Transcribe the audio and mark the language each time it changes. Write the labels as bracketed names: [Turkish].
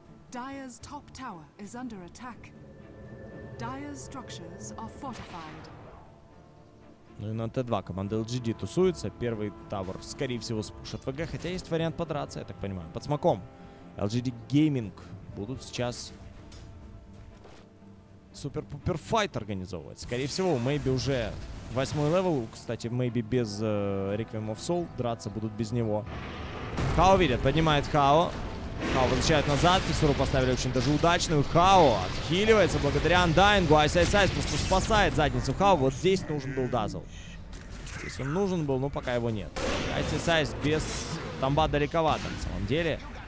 [English] Dire's top tower is under attack. Dire's structures are fortified. [Russian] Ну и на Т2 команда LGD тусуется. Первый тавр, скорее всего, спушат ВГ. Хотя есть вариант подраться, я так понимаю. Под смоком. LGD Gaming будут сейчас супер-пупер-файт организовывать. Скорее всего, у Maybe уже 8-й левел. Кстати, Maybe без Requiem of Soul. Драться будут без него. Хао видят, поднимает Хао. Хао возвращает назад, фиссуру поставили очень даже удачную. Хао отхиливается благодаря андайингу. Айс-Айс-Айс просто спасает задницу Хао. Вот здесь нужен был дазл. Здесь он нужен был, но пока его нет. Айс-Айс-Айс без тамба далековато, на самом деле.